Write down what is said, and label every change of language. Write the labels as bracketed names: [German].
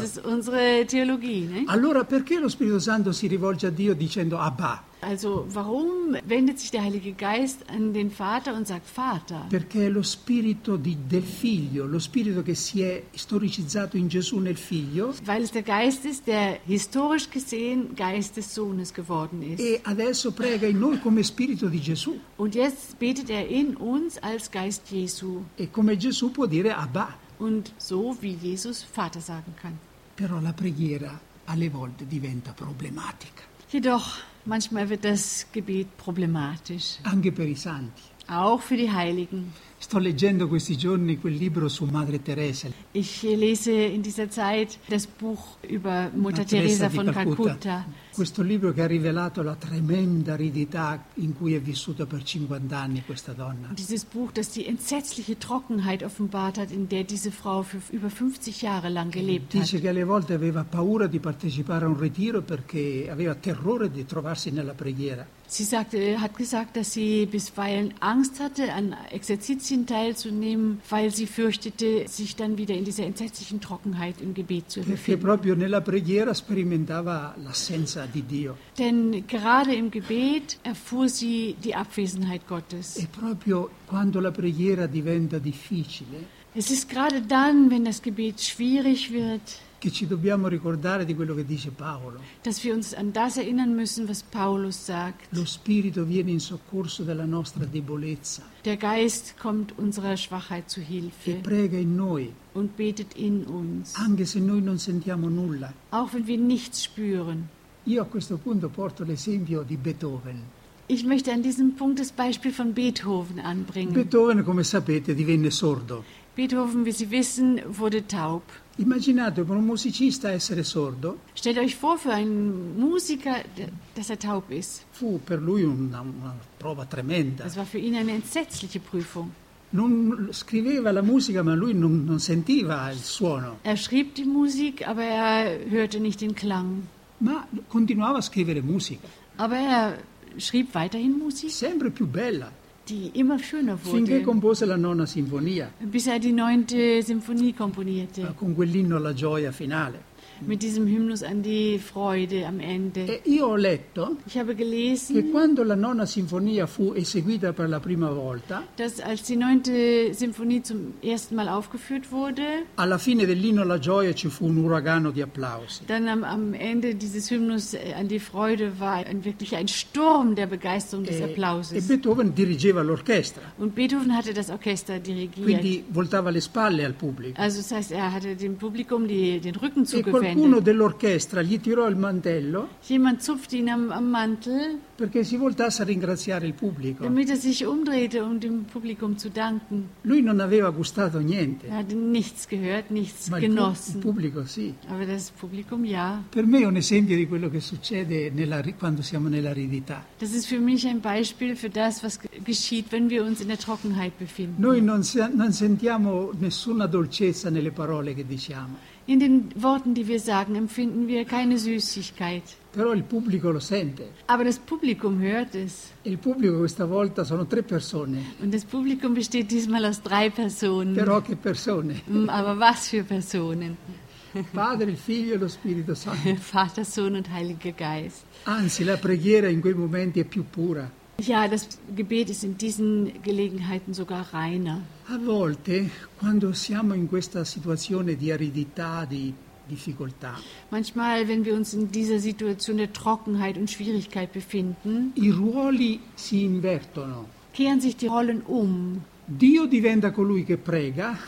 [German] Das ist unsere Theologie, ne? [Italian] Allora perché lo Spirito Santo si rivolge a Dio dicendo Abba? [German] Also, warum wendet sich der Heilige Geist an den Vater und sagt Vater? [Italian] Perché è lo spirito del figlio, lo spirito che si è storicizzato in Gesù nel figlio. [German] Weil es der Geist ist, der historisch gesehen Geist des Sohnes geworden ist. [Italian] E adesso prega in noi come spirito di Gesù. [German] Und jetzt betet in uns als Geist Jesu. [Italian] E come Gesù può dire Abba. [German] Und so wie Jesus Vater sagen kann. [Italian] Però la preghiera alle volte diventa problematica. [German] Jedoch manchmal wird das Gebet problematisch. [Italian] Anche per i santi. [German] Auch für die Heiligen. [Italian] Sto leggendo questi giorni quel libro su Madre Teresa. [German] Ich lese in dieser Zeit das Buch über Mutter Teresa von Calcutta. [Italian] Questo libro che ha rivelato la tremenda aridità in cui è vissuta per 50 anni questa donna. [German] Dieses Buch, das die entsetzliche Trockenheit offenbart hat, in der diese Frau für über 50 Jahre lang gelebt hat. [Italian] Dice che alle volte aveva paura di partecipare a un ritiro perché aveva terrore di trovarsi nella preghiera. [German] Sie hat gesagt, dass sie bisweilen Angst hatte, an Exerzitien bisschen teilzunehmen, weil sie fürchtete, sich dann wieder in dieser entsetzlichen Trockenheit im Gebet zu befinden. [Italian] Perché proprio nella preghiera sperimentava l'assenza di Dio. [German] Denn gerade im Gebet erfuhr sie die Abwesenheit Gottes. [Italian] E proprio quando la preghiera diventa difficile. [German] Es ist gerade dann, wenn das Gebet schwierig wird, [Italian] che ci dobbiamo ricordare di quello che dice Paolo. [German] Dass wir uns an das erinnern müssen, was Paulus sagt. [Italian] Lo spirito viene in soccorso della nostra debolezza. [German] Der Geist kommt unserer Schwachheit zu Hilfe. [Italian] E prega in noi. [German] Und betet in uns. [Italian] Anche se noi non sentiamo nulla. [German] Auch wenn wir nichts spüren. [Italian] Io a questo punto porto l'esempio di Beethoven. [German] Ich möchte an diesem Punkt das Beispiel von Beethoven anbringen. [Italian] Beethoven, come sapete, divenne sordo. [German] Beethoven, wie Sie wissen, wurde taub. [Italian] Immaginate per un musicista essere sordo. [German] Stellt euch vor für einen Musiker, dass er taub ist. [Italian] Fu per lui una prova tremenda. [German] Das war für ihn eine entsetzliche Prüfung. [Italian] Non scriveva la musica, ma lui non sentiva il suono. [German] Er schrieb die Musik, aber er hörte nicht den Klang. [Italian] Ma continuava a scrivere musica. [German] Aber er schrieb weiterhin Musik. [Italian] Sempre più bella. [German] Die immer schöner wurde. [Italian] Finché compose la nona sinfonia. [German] Bis er die neunte Sinfonie komponierte. [Italian] Con quell'inno alla gioia finale. [German] Mit diesem Hymnus an die Freude am Ende. [Italian] E io ho letto. [German] Ich habe gelesen. [Italian] Che quando la nona sinfonia fu eseguita per la prima volta. [German] Dass als die neunte Sinfonie zum ersten Mal aufgeführt wurde. [Italian] Alla fine dell'inno alla gioia ci fu un uragano di applausi. [German] Dann am Ende dieses Hymnus an die Freude war wirklich ein Sturm der Begeisterung des Applauses. [Italian] E Beethoven dirigeva l'orchestra. [German] Und Beethoven hatte das Orchester dirigiert. [Italian] Quindi voltava le spalle al pubblico. [German] Also das heißt, er hatte dem Publikum den Rücken zugewandt. [Italian] Qualcuno dell'orchestra gli tirò il mantello. [German] Jemand zupfte ihn am Mantel. [Italian] Perché si voltasse a ringraziare il pubblico. [German] Damit er sich umdrehte, um dem Publikum zu danken. [Italian] Lui non aveva gustato niente. [German] Er hatte nichts gehört, nichts genossen. [Italian] Ma il pubblico sì. [German] Aber das Publikum ja. [Italian] Per me è un esempio di quello che succede quando siamo nell'aridità. [German] Das ist für mich ein Beispiel für das, was geschieht, wenn wir uns in der Trockenheit befinden. [Italian] Noi non sentiamo nessuna dolcezza nelle parole che diciamo. [German] In den Worten, die wir sagen, empfinden wir keine Süßigkeit. [Italian] Però il pubblico lo sente. [German] Aber das Publikum hört es. [Italian] Il pubblico questa volta sono tre persone. [German] Und das Publikum besteht diesmal aus drei Personen. [Italian] Però che persone. [German] Aber was für Personen. [Italian] Padre, il Figlio e lo Spirito Santo. [German] Vater, Sohn und Heiliger Geist. [Italian] Anzi, la preghiera in quei momenti è più pura. [German] Ja, das Gebet ist in diesen Gelegenheiten sogar reiner. [Italian] A volte, quando siamo in questa situazione di aridità, di difficoltà. [German] Manchmal, wenn wir uns in dieser Situation der Trockenheit und Schwierigkeit befinden, [Italian] i ruoli si invertono. [German] Kehren sich die Rollen um. [Italian] Dio diventa colui che prega.